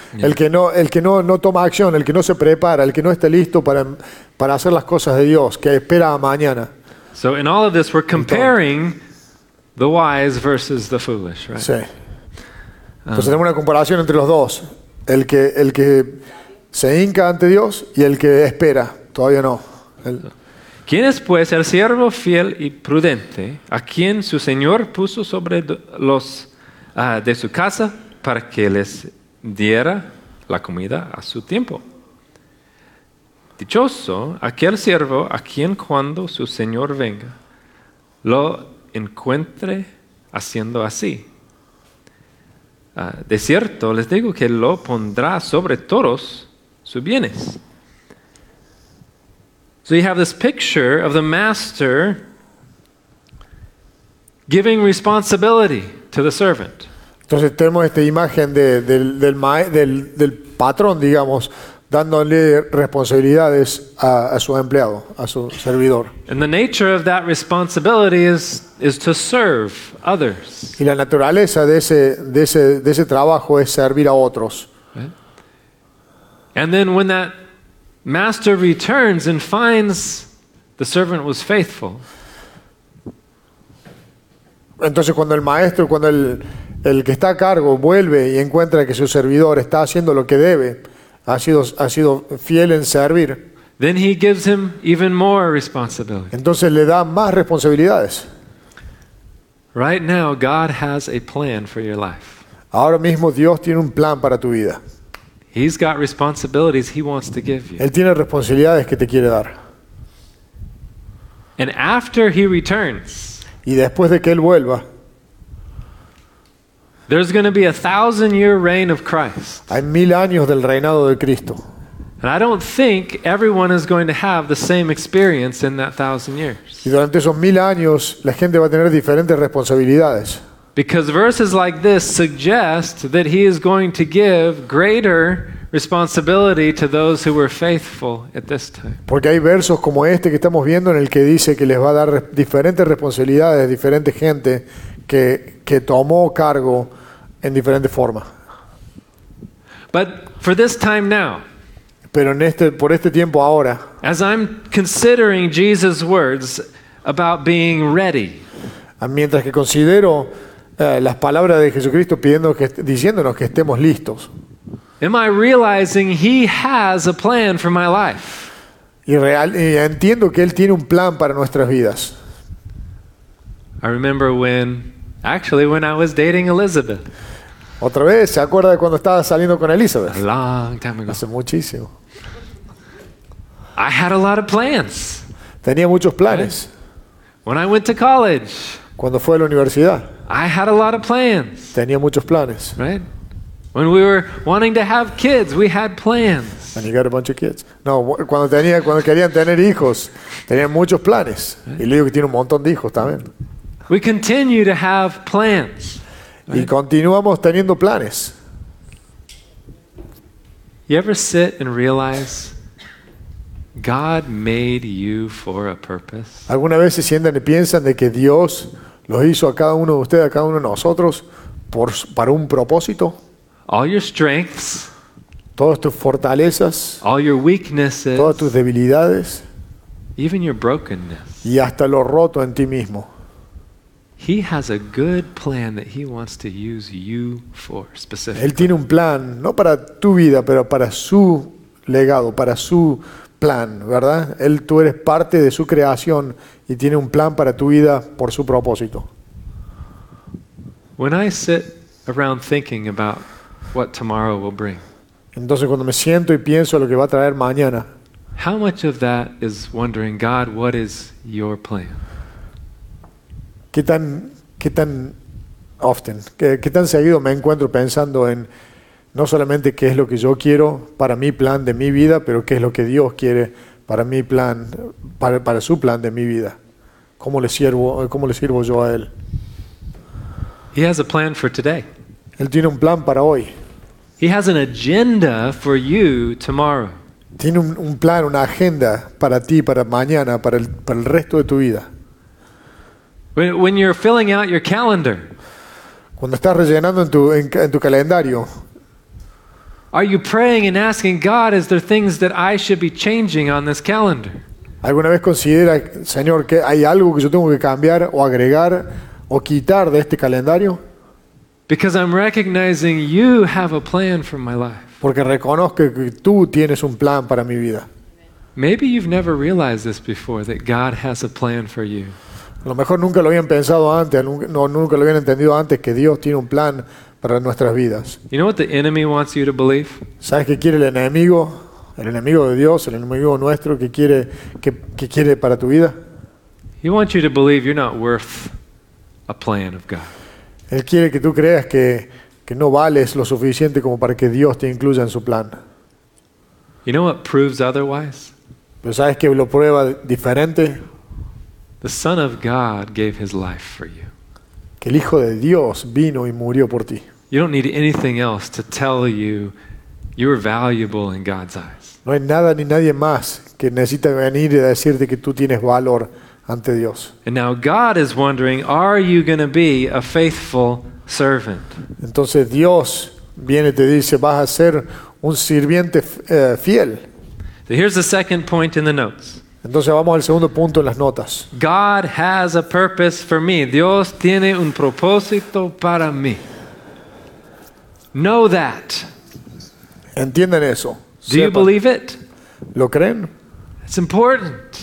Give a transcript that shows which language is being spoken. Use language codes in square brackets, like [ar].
[es] el que no toma acción, el que no se prepara, el que no está listo para hacer las cosas de Dios, que espera a mañana. [en] So in all of this we're comparing the wise versus the foolish, right? [es] Sí. Entonces tenemos una comparación entre los dos, el que se hinca ante Dios y el que espera, todavía no. ¿Quién es, pues, el siervo fiel y prudente a quien su señor puso sobre los de su casa para que les diera la comida a su tiempo? Dichoso aquel siervo a quien cuando su señor venga lo encuentre haciendo así. De cierto, les digo que lo pondrá sobre todos sus bienes. [en] So you have this picture of the master giving responsibility to the servant. [es] Entonces tenemos esta imagen del patrón, digamos, dándole responsabilidades a su empleado, a su servidor. [en] And the nature of that responsibility is to serve others. [es] Y la naturaleza de ese trabajo es servir a otros. [en] And then when that master returns and finds the servant was faithful. [es] Entonces cuando el maestro, cuando el que está a cargo vuelve y encuentra que su servidor está haciendo lo que debe, ha sido fiel en servir. [en] Then he gives him even more responsibility. [es] Entonces le da más responsabilidades. [en] Right now God has a plan for your life. [es] Ahora mismo Dios tiene un plan para tu vida. [en] He's got responsibilities he wants to give you. [es] Él tiene responsabilidades que te quiere dar. [en] And after he returns, [es] y después de que él vuelva, [en] there's going to be a 1,000-year reign of Christ. [es] Hay 1,000 años del reinado de Cristo. [en] And I don't think everyone is going to have the same experience in that 1,000 years. [es] Y durante esos 1,000 años, la gente va a tener diferentes responsabilidades. [en] Because verses like this suggest that he is going to give greater responsibility to those who were faithful at this time. [es] Porque hay versos como este que estamos viendo en el que dice que les va a dar diferentes responsabilidades a diferente gente que tomó cargo en diferente forma. [en] But for this time now. [es] Pero por este tiempo ahora. [en] As I'm considering Jesus' words about being ready. [es] Mientras que considero las palabras de Jesucristo diciéndonos que estemos listos. [en] Am I realizing he has a plan for my life? [es] Y entiendo que él tiene un plan para nuestras vidas. [en] I remember when I was dating Elizabeth. [es] Otra vez, ¿se acuerda de cuando estaba saliendo con Elizabeth? [en] A long time ago. [es] Hace muchísimo. [en] I had a lot of plans. [es] Tenía muchos planes. [en] When I went to college. [es] Cuando fue a la universidad. [en] I had a lot of plans. [es] Tenía muchos planes. [en] Right? When we were wanting to have kids, we had plans. And you got a bunch of kids. [es] No, cuando querían tener hijos, tenían muchos planes. [en] Right? [es] Y le digo que tiene un montón de hijos también. [en] We continue to have plans. Right? [es] Y continuamos teniendo planes. [en] You ever sit and realize God made you for a purpose? [es] ¿Alguna vez se sientan y piensan de que Dios los hizo a cada uno de ustedes, a cada uno de nosotros, para un propósito? [en] All your strengths, [es] todas tus fortalezas, [en] all your weaknesses, [es] todas tus debilidades, [en] even your brokenness, [es] y hasta lo roto en ti mismo. [en] He has a good plan that he wants to use you for specifically. [es] Él tiene un plan, no para tu vida, pero para su legado, para su plan, ¿verdad? Tú eres parte de su creación y tiene un plan para tu vida por su propósito. [en] When I sit around thinking about what tomorrow will bring. [es] Entonces cuando me siento y pienso lo que va a traer mañana. [en] How much of that is wondering, God, what is your plan? [es] ¿Qué tan [en] often? [es] ¿Qué tan seguido me encuentro pensando en no solamente qué es lo que yo quiero para mi plan de mi vida, pero qué es lo que Dios quiere para mi plan, para su plan de mi vida? ¿Cómo le sirvo yo a Él? [en] He has a plan for today. [es] Él tiene un plan para hoy. [en] He has an agenda for you tomorrow. [es] Tiene un plan, una agenda para ti, para mañana, para el resto de tu vida. [en] When you're filling out your calendar. [es] Cuando estás rellenando en tu calendario. [en] Are you praying and asking God, is there things that I should be changing on this calendar? [es] ¿Alguna vez considera, Señor, que hay algo que yo tengo que cambiar o agregar o quitar de este calendario? [en] Because I'm recognizing you have a plan for my life. [es] Porque reconozco que tú tienes un plan para mi vida. [en] Maybe you've never realized this before, that God has a plan for you. [es] A lo mejor nunca lo habían pensado antes, nunca lo habían entendido antes, que Dios tiene un plan para nuestras vidas. [en] You know what the enemy wants you to believe? [es] ¿Sabes qué quiere el enemigo de Dios, el enemigo nuestro, que quiere para tu vida? [en] He wants you to believe you're not worth a plan of God. [es] Él quiere que tú creas que no vales lo suficiente como para que Dios te incluya en su plan. [en] You know what proves otherwise? [es] ¿Pero sabes qué lo prueba diferente? [en] The Son of God gave His life for you. [es] Que el Hijo de Dios vino y murió por ti. [en] You don't need anything else to tell you you're valuable in God's eyes. [es] No hay nada ni nadie más que necesite venir y decirte que tú tienes valor ante Dios. [en] And now God is wondering, are you going to be a faithful servant? [es] Entonces Dios viene y te dice, vas a ser un sirviente fiel. [en] So here's the second point in the notes. [es] Entonces vamos al segundo punto en las notas. [en] God has a purpose for me. [es] Dios tiene un propósito para mí. [en] Know that. [es] ¿Entienden eso? [en] Do you believe it? [es] ¿Lo creen? [en] It's important.